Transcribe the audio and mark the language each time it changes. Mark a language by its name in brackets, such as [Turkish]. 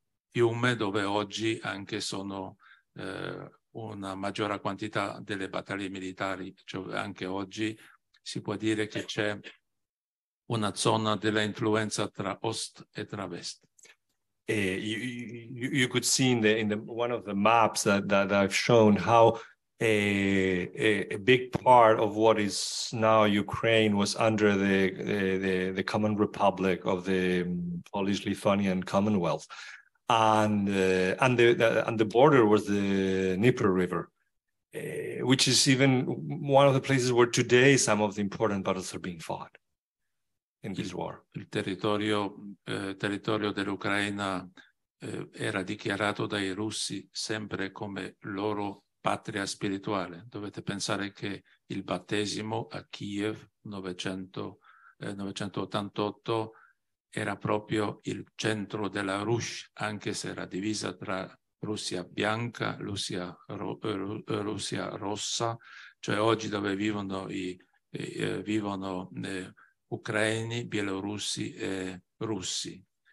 [Italian] fiume dove oggi anche sono una maggiore quantità delle battaglie militari, cioè anche oggi si può dire che c'è una zona della influenza tra ost e tra vest. [English] You could see in the one of the maps that I've shown how a big part of what is now Ukraine was under the common republic of the Polish-Lithuanian Commonwealth. And the border was the Dnieper River, which is even one of the places where today some of the important battles are being fought. in this war. [Italian] Il territorio territorio dell'Ucraina era dichiarato dai russi sempre come loro patria spirituale. Dovete pensare che il battesimo a Kiev 988 era proprio il centro della Rus', anche se era divisa tra Russia bianca, Russia rossa, cioè oggi dove vivono ucraini, bielorussi e russi.